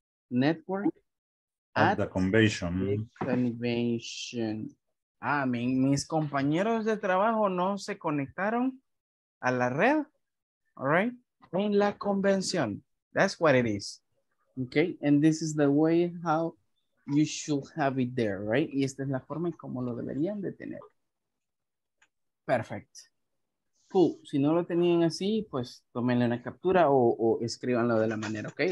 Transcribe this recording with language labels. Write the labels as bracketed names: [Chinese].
[English] Network. At the convention. The convention. [Spanish] Ah, mis compañeros de trabajo no se conectaron a la red. [English] All right. [Spanish] En la convención. [English] That's what it is. Okay. And this is the way how you should have it there, right? [Spanish] Y esta es la forma en cómo lo deberían de tener. [English] Perfect. Cool. [Spanish] Si no lo tenían así, pues tómenle una captura o escríbanlo de la manera, okay?